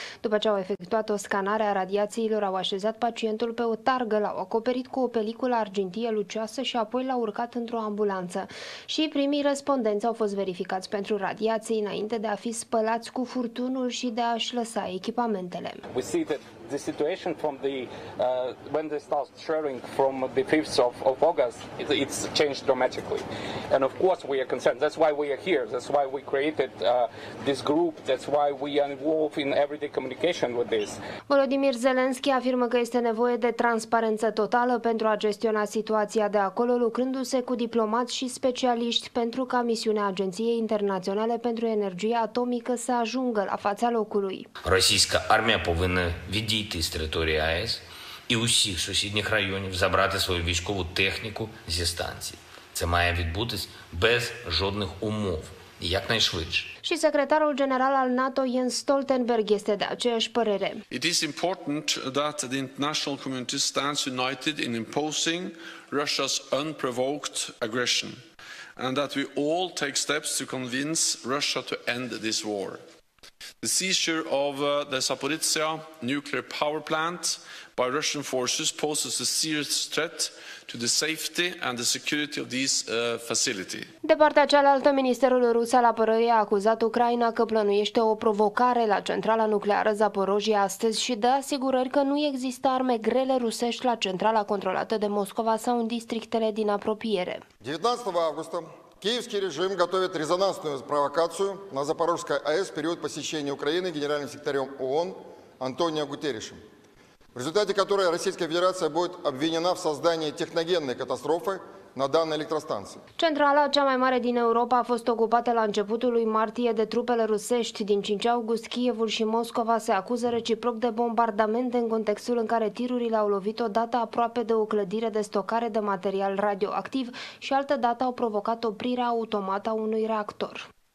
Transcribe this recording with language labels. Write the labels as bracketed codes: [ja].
[ro] După ce au efectuat o scanare a radiațiilor, au așezat pacientul pe o targă, l-au acoperit cu o peliculă argintie lucioasă și apoi l-au urcat într-o ambulanță. Și primii respondenți au fost verificați pentru radiații înainte de a fi spălați cu furtunul și de a-și lăsa echipamentele. [en] The situation from the when they start sharing from the 5th of August, it's changed dramatically, and of course we are concerned. That's why we are here. That's why we created this group. That's why we are involved in everyday communication with this. [ro] Volodymyr Zelensky afirmă că este nevoie de transparență totală pentru a gestiona situația de acolo, lucrându-se cu diplomați și specialiști pentru ca misiunea Agenției Internaționale pentru Energie Atomică să ajungă la fața locului. [uk] Російська армія повинна дійти з території АЕС і усіх сусідніх районів забрати свою військову техніку зі станції. Це має відбутись без жодних умов. [ro] Și secretarul general al NATO Jens Stoltenberg este de aceeași părere. [en] It is important that the international community stands united in imposing Russia's unprovoked aggression and that we all take steps to convince Russia to end this war. The seizure of the Zaporizhia nuclear power plant by Russian forces poses a serious threat to the safety and the security of this facility. [ro] De partea cealaltă, Ministerul Rus al Apărării a acuzat Ucraina că plănuiește o provocare la centrala nucleară Zaporojia astăzi și dă asigurări că nu există arme grele rusești la centrala controlată de Moscova sau în districtele din apropiere. 19 august. [ru] Киевский режим готовит резонансную провокацию на Запорожской АЭС в период посещения Украины генеральным секретарем ООН Антонио Гутерришем, в результате которой Российская Федерация будет обвинена в создании техногенной катастрофы на данной электростанции. [ro] Centrala cea mai mare din Europa a fost ocupată la începutul lui martie de trupele rusești. Din 5 august, Kievul și Moscova se acuză reciproc de bombardamente în contextul în care tirurile au lovit o dată aproape de o clădire de stocare de material radioactiv și altă dată au provocat oprirea automată a unui reactor.